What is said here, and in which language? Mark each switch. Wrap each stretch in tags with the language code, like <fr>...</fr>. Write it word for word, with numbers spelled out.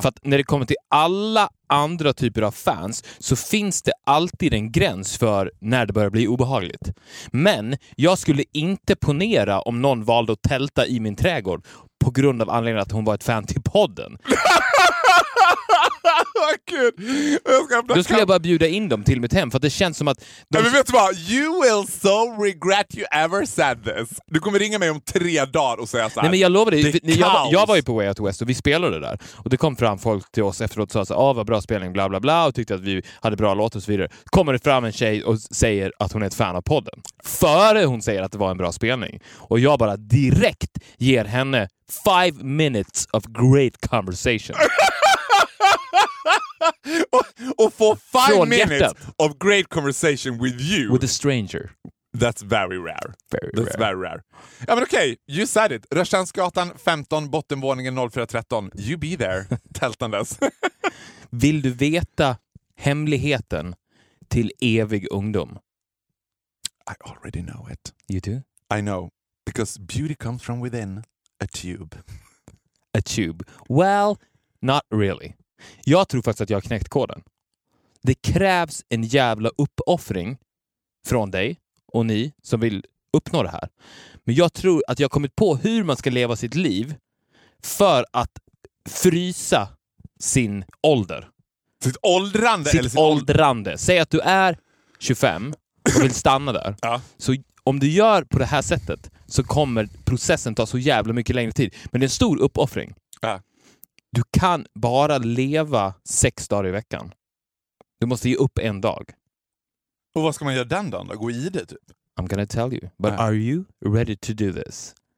<sv>För att när det kommer till alla andra typer av fans så finns det alltid en gräns för när det börjar bli obehagligt. Men jag skulle inte ponera om någon valde att tälta i min trädgård på grund av anledningen att hon var ett fan till podden. Gud. Då skulle jag bara bjuda in dem till mitt hem för att det känns som att de... Nej, men vet du vad?</sv> <en>You will so regret you ever said this.</en> <sv>Du kommer ringa mig om tre dagar och säga så här. Nej men jag lovar dig, jag, jag var ju på Way Out West och vi spelade där och det kom fram folk till oss efteråt och sa så här, ah, vad bra spelning bla bla bla och tyckte att vi hade bra låt och så vidare. Kommer det fram en tjej och säger att hon är ett fan av podden. Före hon säger att det var en bra spelning och jag bara direkt ger henne</sv> <en>five minutes of great conversation.</en> <sv>och, och få five Från minutes hjärtat.</sv> <en>Of great conversation with you. With a stranger. That's very rare. Very That's rare. very rare.</en> <sv>Ja men okej,</sv> <en>okay. You said it.</en> <sv>Rörstrandsgatan femton, bottenvåningen noll fyra tretton.</sv> <en>You be there. Tältandes.</en> <sv>Vill du veta hemligheten till evig ungdom?</sv> <en>I already know it. You do? I know. Because beauty comes from within a tube. A tube. Well, not really.</en> <sv>Jag tror faktiskt att jag har knäckt koden. Det krävs en jävla uppoffring från dig och ni som vill uppnå det här. Men jag tror att jag har kommit på hur man ska leva sitt liv för att frysa sin ålder. Sitt åldrande? Sitt, eller sitt åldrande. Säg att du är tjugofem och vill stanna där. Ja. Så om du gör på det här sättet så kommer processen ta så jävla mycket längre tid. Men det är en stor uppoffring. Ja. Du kan bara leva sex dagar i veckan. Du måste ge upp en dag. Och vad ska man göra den dagen då? Gå i det typ?</sv> <en>I'm gonna tell you. But yeah. Are you ready to do this?</en>